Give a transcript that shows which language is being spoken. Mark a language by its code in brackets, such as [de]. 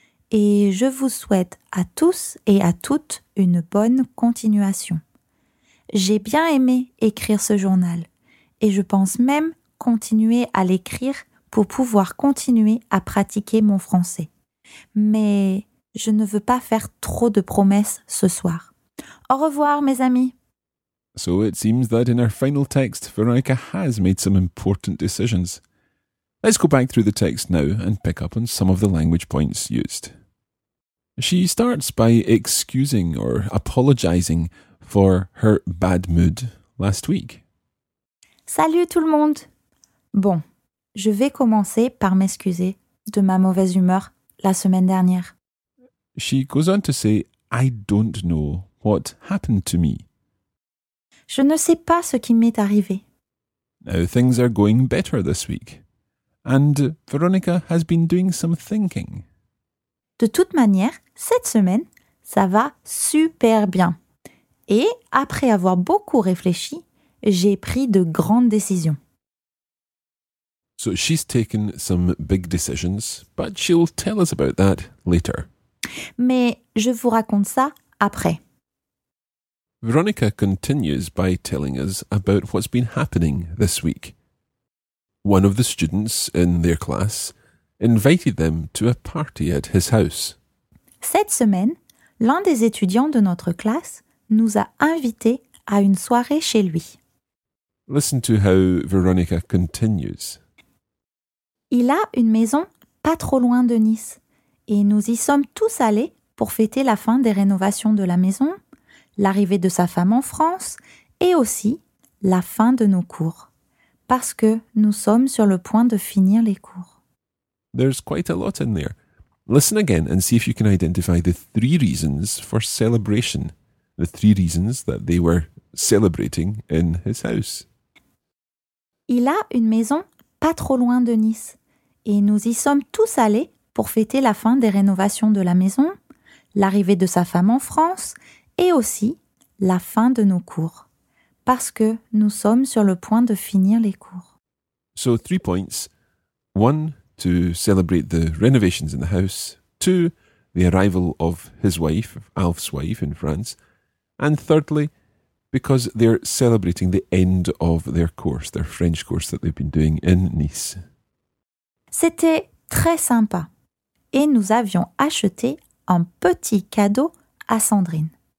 [fr] Et je vous souhaite à tous et à toutes une bonne continuation. J'ai bien aimé écrire ce journal et je pense même continuer à l'écrire pour pouvoir continuer à pratiquer mon français. Mais je ne veux pas faire trop de promesses ce soir. Au revoir, mes amis. [en] So it seems that in our final text, Veronica has made some important decisions. Let's go back through the text now and pick up on some of the language points used. She starts by excusing or apologizing for her bad mood last week. [fr] Salut tout le monde! Bon, je vais commencer par m'excuser de ma mauvaise humeur la semaine dernière. [en] She goes on to say, I don't know what happened to me. [fr] Je ne sais pas ce qui m'est arrivé. [en] Now things are going better this week. And Veronica has been doing some thinking. [fr] De toute manière, cette semaine, ça va super bien. Et après avoir beaucoup réfléchi, j'ai pris de grandes décisions. [en] So she's taken some big decisions, but she'll tell us about that later. [fr] Mais je vous raconte ça après. [en] Veronica continues by telling us about what's been happening this week. One of the students in their class invited them to a party at his house. [fr] Cette semaine, l'un des étudiants de notre classe nous a invités à une soirée chez lui. [en] Listen to how Veronica continues. [fr] Il a une maison pas trop loin de Nice et nous y sommes tous allés pour fêter la fin des rénovations de la maison, l'arrivée de sa femme en France et aussi la fin de nos cours. Parce que nous sommes sur le point de finir les cours. [en] There's quite a lot in there. Listen again and see if you can identify the three reasons for celebration. The three reasons that they were celebrating in his house. [fr] Il a une maison pas trop loin de Nice. Et nous y sommes tous allés pour fêter la fin des rénovations de la maison, l'arrivée de sa femme en France et aussi la fin de nos cours. Parce que nous sommes sur le point de finir les cours. [en] So, 3 points. 1, to celebrate the renovations in the house. 2, the arrival of his wife, Alf's wife in France. And thirdly, because they're celebrating the end of their course, their French course that they've been doing in Nice. [fr] C'était très sympa. Et nous avions acheté un petit cadeau à Sandrine.